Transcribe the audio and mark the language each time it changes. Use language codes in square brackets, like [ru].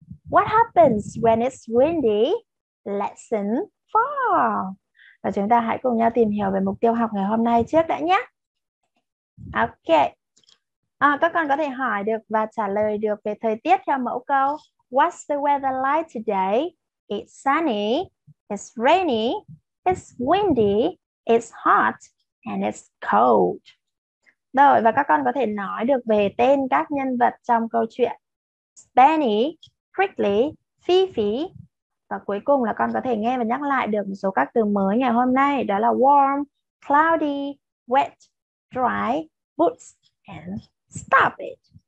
[en] What happens when it's windy? Lesson 4. [vi] Và chúng ta hãy cùng nhau tìm hiểu về mục tiêu học ngày hôm nay trước đã nhé. Ok. À, các con có thể hỏi được và trả lời được về thời tiết theo mẫu câu [en] What's the weather like today? It's sunny, it's rainy, it's windy, it's hot, and it's cold. [vi] Rồi, và các con có thể nói được về tên các nhân vật trong câu chuyện. Benny, Prickly, Fifi. Và cuối cùng là con có thể nghe và nhắc lại được một số các từ mới ngày hôm nay. Đó là [en] warm, cloudy, wet, dry, boots, and stop it.